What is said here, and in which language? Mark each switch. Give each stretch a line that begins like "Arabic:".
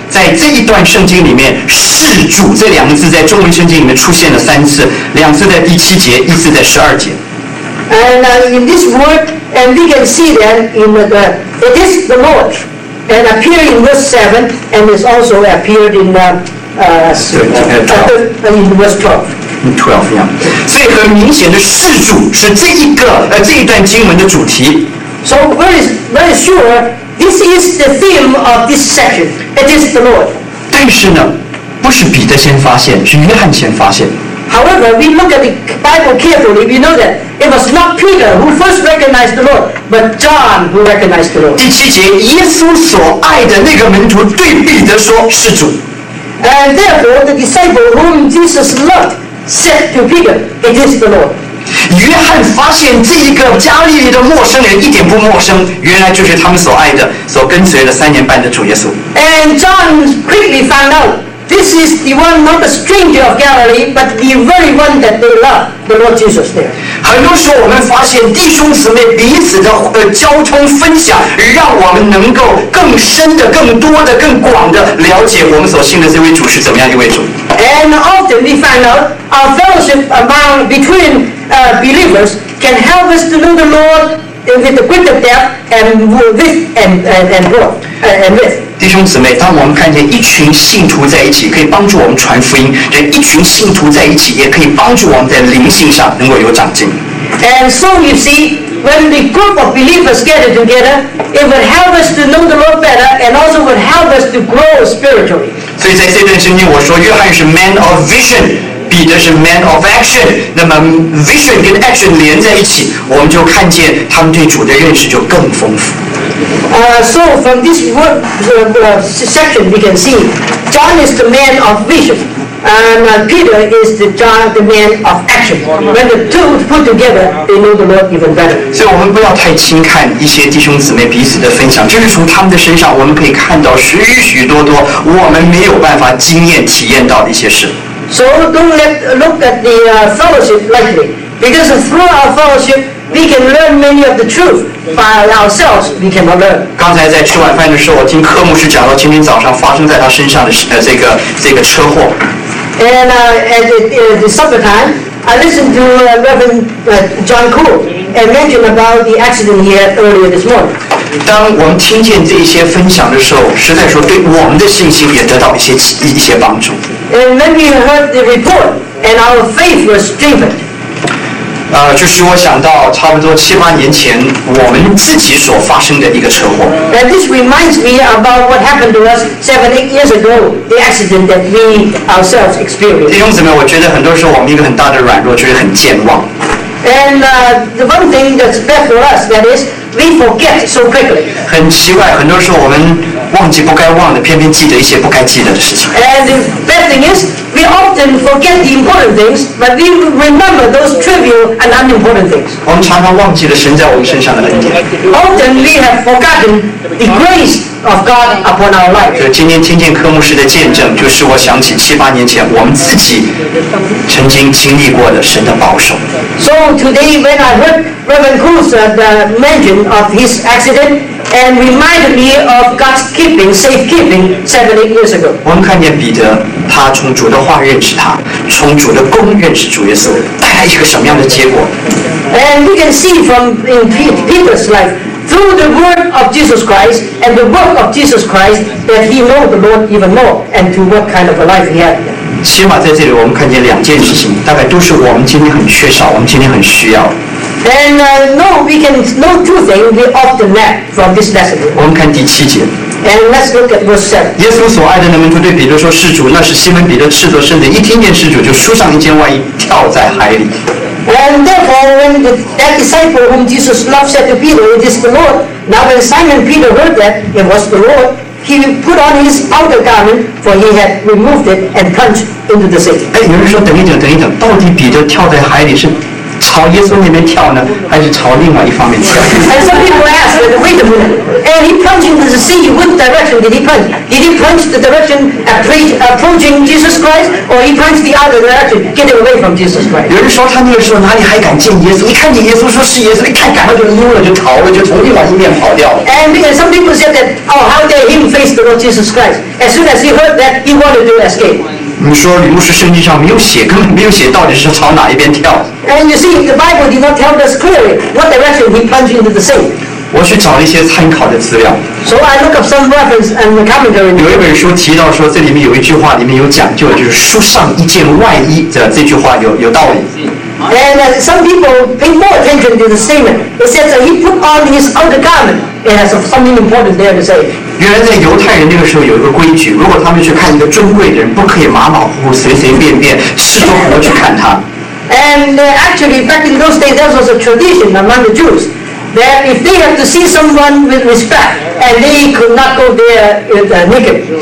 Chinese: 在这一段圣经里面，事主这两个字在中文圣经里面出现了三次，两次在第七节，一次在十二节。
English: And in this word, and we can see that in the it is the Lord. And appeared in verse 7, and it's also appeared in verse 12. 12, yeah. So,
Chinese: 很明显的事主是这一个这一段经文的主题。
English: So, very sure, this is the theme of this section. It is the Lord.
Chinese: 但是呢，不是彼得先发现，是约翰先发现。
English: However, we look at the Bible carefully, we know that it was not Peter who first recognized the Lord, but John who recognized the Lord.
Chinese: 第七节，耶稣所爱的那个门徒对彼得说：“是主。”
English: And therefore, the disciple whom Jesus loved said to Peter, "It is the Lord."
Chinese: 约翰发现这一个加利利的陌生人一点不陌生，原来就是他们所爱的、所跟随了三年半的主耶稣。
English: And John quickly found out. This is the one, not a stranger of Galilee, but the very one that they love, the Lord Jesus there.
Chinese: 很多时候我们发现弟兄姊妹彼此的交通分享，让我们能够更深的、更多的、更广的了解我们所信的这位主是怎么样一位主。
English: And often we find out our fellowship between believers can help us to know the Lord with the greater depth and width.
Chinese: 弟兄姊妹，当我们看见一群信徒在一起，可以帮助我们传福音；这一群信徒在一起，也可以帮助我们在灵性上能够有长进。
English: And so you see, when the group of believers gather together, it will help us to know the Lord better, and also will help us to grow spiritually.
Chinese: 所以在这段圣经，我说约翰是
English: man of vision，
Chinese: 彼得是
English: man of action。
Chinese: 那么 vision 跟 action 连在一起，我们就看见他们对主的认识就更丰富。
English: So from this word, section we can see John is the man of vision and Peter is the man of action. When the two put together, they know the Lord even better.
Chinese: 所以我们不要太轻看一些弟兄姊妹彼此的分享，就是从他们的身上我们可以看到许许多多我们没有办法经验体验到的一些事。
English: So don't look at the fellowship lightly, because through our fellowship we can learn many of the truth. By ourselves, we cannot learn.
Chinese: 刚才在吃晚饭的时候，我听柯牧师讲到今天早上发生在他身上的这个车祸。
English: And at the supper time, I listened to Reverend John Cole and mentioned about the accident he had earlier this morning.
Chinese: 当我们听见这些分享的时候，实在说对我们的信心也得到一些帮助。
English: And when we heard the report, and our faith was strengthened.
Chinese: 就是我想到差不多七八年前我们自己所发生的一个车祸。
English: And this reminds me about what happened to us 7-8 years ago, the accident that we ourselves experienced.
Chinese: 弟兄姊妹，我觉得很多时候我们一个很大的软弱就是很健忘。
English: And the one thing that's bad for us, that is, we forget so quickly.
Chinese: 很奇怪，很多时候我们忘记不该忘的，偏偏记得一些不该记得的事情。
English: And the bad thing is. We often forget the important things, but we remember those trivial and unimportant things.
Chinese: 我们常常忘记了神在我们身上的恩典。
English: Often we have forgotten the grace of God upon our life.
Chinese: 就今天听见柯牧师的见证，就是我想起七八年前我们自己曾经经历过的神的保守。
English: So today, when I heard Reverend Cruz the mention of his accident. And reminded me of God's keeping, safekeeping 7-8 years ago.
Chinese: 我们看见彼得，他从主的话认识他，从主的功认识主耶稣，带来一个什么样的结果
English: ？And we can see from in Peter's life through the word of Jesus Christ and the work of Jesus Christ that he knew the Lord even more and to what kind of a life he had.
Chinese: 起码在这里，我们看见两件事情，大概都是我们今天很缺少，我们今天很需要。
English: And we can know two things we often lack from this lesson.
Chinese: 我们看第七节。
English: And let's look at verse 7.
Chinese: 耶稣所爱的那门徒对彼得说：“是主。” 那是西门彼得赤足伸腿，一听见是主，就束上一件外衣，跳在海里。
English: And therefore, when that disciple whom Jesus loved said to Peter, "It is the Lord." Now, when Simon Peter heard that it was the Lord, he put on his outer garment, for he had removed it, and plunged into the sea.
Chinese: 哎，有人说：“等一等，等一等，到底彼得跳在海里是？” 朝耶稣那边跳呢，还是朝另外一方面跳
English: ？And some people ask, "Wait a minute, and he plunged into the sea. What direction did he plunge? Did he plunge the direction approaching Jesus Christ, or he plunged the other direction, getting away from Jesus Christ?"
Chinese: 有人说他那个时候哪里还敢见耶稣？一看见耶稣，说是耶稣，一看赶快就溜了，就逃了，就从另外一面跑掉了。
English: And because some people said that, "Oh, how dare him face the Lord Jesus Christ?" As soon as he heard that, he wanted to escape.
Chinese: 你说李牧师圣经上没有写，根本没有写到底是朝哪一边跳。
English: And you see, the Bible did not tell us clearly what direction he plunged into the sea.
Chinese: 我去找了一些参考的资料。
English: So I look up some reference and commentary.
Chinese: 有一本书提到说，这里面有一句话，里面有讲究，就是束上一件外衣的这句话有道理。
English: And some people pay more attention to the statement. It says that he put on his outer garment. It has something important there to say.
Chinese: 原来在犹太人那个时候有一个规矩，如果他们去看一个尊贵的人，不可以马马虎虎、随随便便、赤着裸去看他。
English: And actually, back in those days, there was a tradition among the Jews that if they have to see someone with respect, and they could not go there with naked.